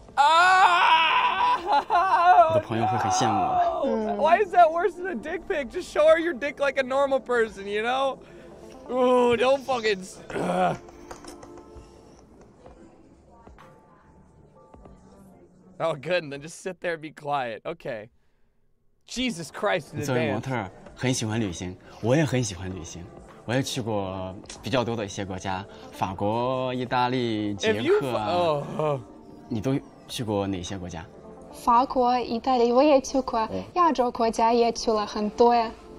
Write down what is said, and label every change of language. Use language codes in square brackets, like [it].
[zh] Ah! 我的朋友会很羡慕我。 [en] Why is that worse than a dick pic? Just show her your dick like a normal person, you know? Ooh, don't fucking. Oh, good. And then just sit there and be quiet. Okay. Jesus Christ. [zh] 作为模特儿，很喜欢旅行。我也很喜欢旅行。我也去过比较多的一些国家，法国、意大利、捷克啊。你都去过哪些国家？法国、意大利，我也去过。亚洲国家也去了很多呀。